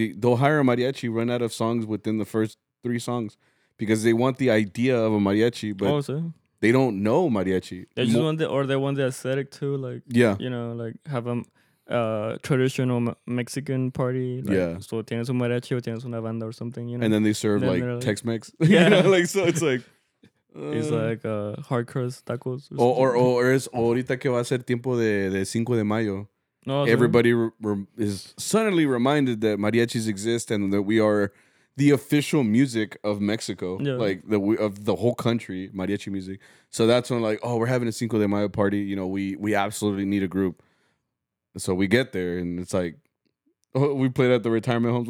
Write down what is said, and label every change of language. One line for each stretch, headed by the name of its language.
English: They'll hire a mariachi, run out of songs within the first three songs because they want the idea of a mariachi, but they don't know mariachi. They just want they want the aesthetic too, like, you know, like have a traditional Mexican party. Like, so
Spanish: tienes un mariachi o tienes una banda
English: or something, you know? And then they serve then like Tex-Mex. Yeah. You know? Like, so it's like. It's like hard crust tacos.
Spanish: Or es ahorita que va a ser tiempo de Cinco de Mayo.
English: No, everybody is suddenly reminded that mariachis exist and that we are the official music of Mexico, like of the whole country, mariachi music. So that's when like, oh, we're having a Cinco de Mayo party. You know, we absolutely need a group. So we get there and it's like, oh, we played at the retirement homes.